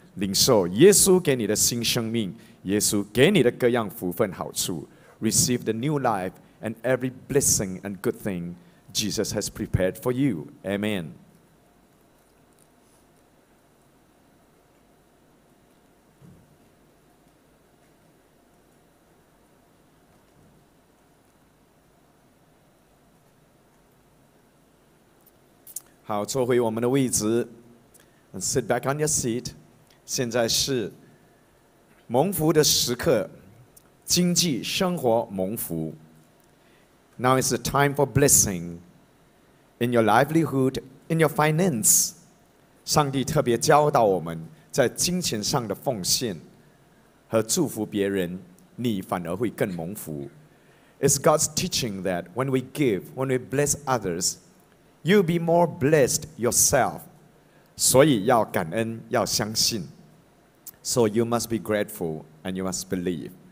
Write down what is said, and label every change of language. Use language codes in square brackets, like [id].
[zh] 领受耶稣给你的新生命，耶稣给你的各样福分好处。 [en] Receive the new life and every blessing and good thing Jesus has prepared for you. Amen. How to hold our place and sit back on your seat. [zh] 现在是蒙福的时刻。经济生活蒙福。 [en] Now is the time for blessing in your livelihood, in your finance. [zh] 上帝特别教导我们在金钱上的奉献和祝福别人，你反而会更蒙福。 [en] It's God's teaching that when we give, when we bless others, you'll be more blessed yourself. [zh] 所以要感恩，要相信。 [en] So you must be grateful and you must believe.